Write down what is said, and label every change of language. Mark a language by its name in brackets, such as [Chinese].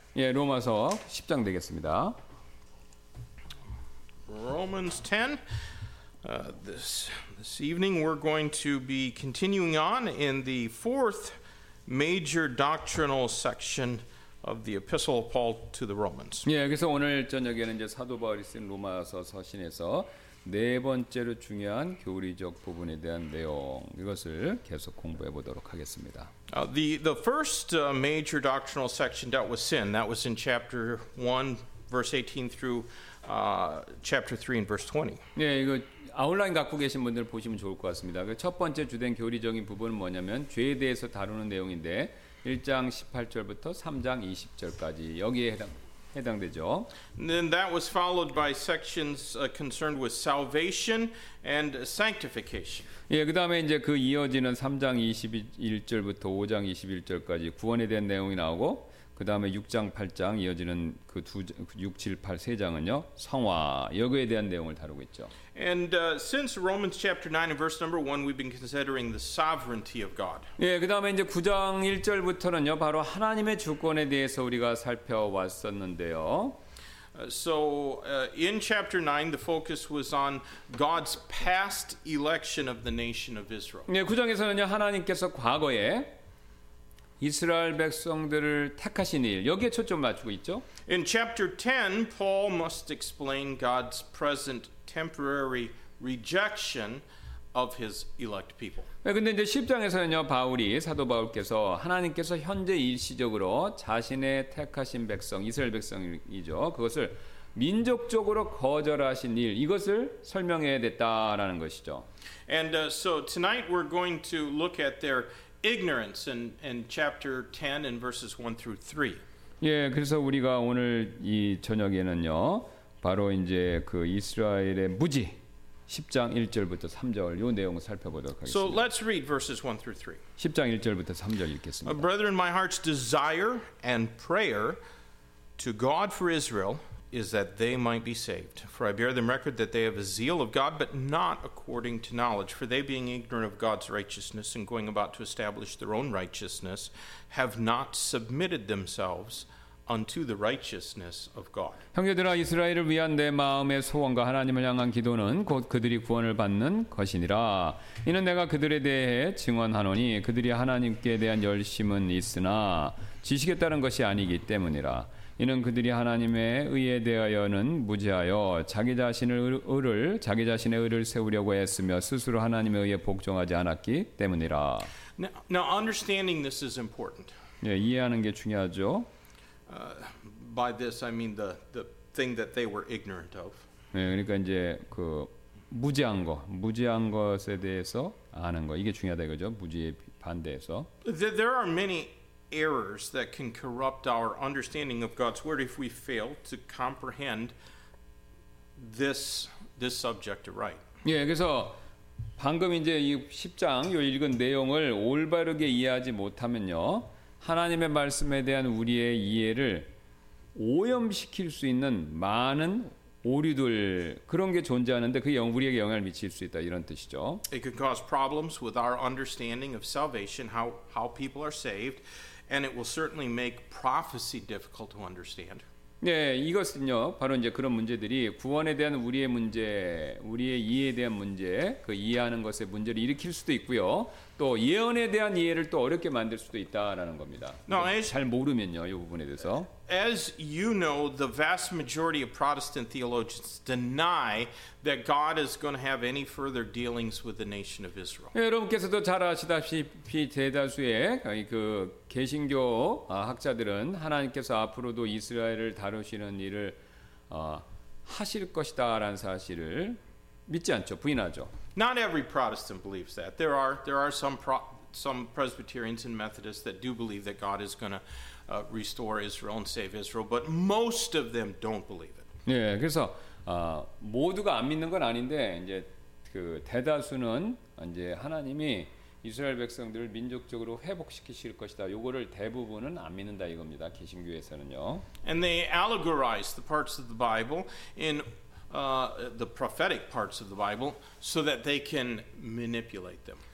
[Korean] 예, 로마서 10장 되겠습니다. [English] Romans 10. This evening we're going to be continuing on in the fourth major doctrinal section of the Epistle of Paul to the Romans. [Korean] 예, 그래서 오늘 저녁에는 이제 사도 바울이 쓴 로마서 서신에서 네 번째로 중요한 교리적 부분에 대한 내용 이것을 계속 공부해 보도록 하겠습니다. [English] The first major doctrinal section dealt with sin. That was in chapter 1 verse 18 through chapter 3 and verse 20. [Korean] 예, 이거 아웃라인 갖고 계신 분들 보시면 좋을 것 같습니다. 그 첫 번째 주된 교리적인 부분은 뭐냐면 죄에 대해서 다루는 내용인데 1장 18절부터 3장 20절까지 여기에 해당되죠. [English] Then that was followed by sections concerned with salvation and sanctification. [Korean] 예, 그다음에 이제 그 이어지는 3장 21절부터 5장 21절까지 구원에 대한 내용이 나오고 그다음에 6장 8장 이어지는 그 두 6 7 8 세 장은요. 성화 여기에 대한 내용을 다루고 있죠. [English] And since Romans chapter 9 and verse number 1 we've been considering the sovereignty of God. [Korean] 예, 그다음에 이제 9장 1절부터는요. 바로 하나님의 주권에 대해서 우리가 살펴왤었는데요. [English] In chapter 9 the focus was on God's past election of the nation of Israel. [Korean] 예, 9장에서는요. 하나님께서 과거에 이스라엘 백성들을 택하신 일 여기에 초점 맞추고 있죠. [English] In chapter 10, Paul must explain God's present temporary rejection of His elect people. [Korean] 그런데 이제 10장에서는요, 바울이 사도 바울께서 하나님께서 현재 일시적으로 자신의 택하신 백성 이스라엘 백성이죠. 그것을 민족적으로 거절하신 일 이것을 설명해야 됐다라는 것이죠. [English] And so tonight we're going to look at their ignorance in chapter 10 and verses 1 through 3. [Korean] 예, 그래서 우리가 오늘 이 저녁에는요, 바로 이제 그 이스라엘의 무지 10장 1절부터 3절 요 내용 살펴보도록 하겠습니다. [English] So let's read verses 1 through 3. [Korean] 10장 1절부터 3절 읽겠습니다. [English] Brethren, my heart's desire and prayer to God for Israel is that they might be saved. For I bear them record that they have a zeal of God, but not according to knowledge. For they, being ignorant of God's righteousness and going about to establish their own righteousness, have not submitted themselves unto the righteousness of God. [Korean] 형제들아, 이스라엘을 위한 내 마음의 소원과 하나님을 향한 기도는 곧 그들이 구원을 받는 것이니라. 이는 내가 그들에 대해 증언하노니 그들이 하나님께 대한 열심은 있으나 지식에 따른 것이 아니기 때문이라. 이는 그들이 하나님의 의에 대하여는 무지하여 자기 자신을 의를 자기 자신의 의를 세우려고 했으며 스스로 하나님의 의에 복종하지 않았기 때문이라. [English] Now understanding this is important. [Korean] 예, 이해하는 게 중요하죠. [English] By this I mean the thing that they were ignorant of. [Korean] 예, 그러니까 이제 그 무지한 거, 무지한 것에 대해서 아는 거 이게 중요하다 이거죠. 무지에 반대해서. [English] There are many errors that can corrupt our understanding of God's word if we fail to comprehend this subject right. [Korean] 예, 그래서 방금 이제 이 10장 요 읽은 내용을 올바르게 이해하지 못하면요. 하나님의 말씀에 대한 우리의 이해를 오염시킬 수 있는 많은 오류들 그런 게 존재하는데 그게 우리에게 영향을 미칠 수 있다 이런 뜻이죠. [English] It can cause problems with our understanding of salvation, how people are saved, and it will certainly make prophecy difficult to understand. [Korean] 네, 이것은요 바로 이제 그런 문제들이 구원에 대한 우리의 문제, 우리의 이해에 대한 문제, 그 이해하는 것의 문제를 일으킬 수도 있고요. 또 예언에 대한 이해를 또 어렵게 만들 수도 있다라는 겁니다. [English] Now, [Korean] 잘 모르면요, 이 부분에 대해서. [English] As you know, the vast majority of Protestant theologians deny that God is going to have any further dealings with the nation of Israel. [Korean] 예, 여러분께서도 잘 아시다시피 대다수의 그 개신교 학자들은 하나님께서 앞으로도 이스라엘을 다루시는 일을 하실 것이다라는 사실을 믿지 않죠, 부인하죠. [English] Not every Protestant believes that. There are some Presbyterians and Methodists that do believe that God is going to restore Israel and save Israel, but most of them don't believe it. [Korean] 예, 그래서 모두가 안 믿는 건 아닌데 이제 그 대다수는 이제 하나님이 이스라엘 백성들을 민족적으로 회복시키실 것이다. 요거를 대부분은 안 믿는다 이겁니다. 개신교에서는요. [English] And they allegorize the parts of the Bible in the prophetic parts of the Bible so that they can manipulate them.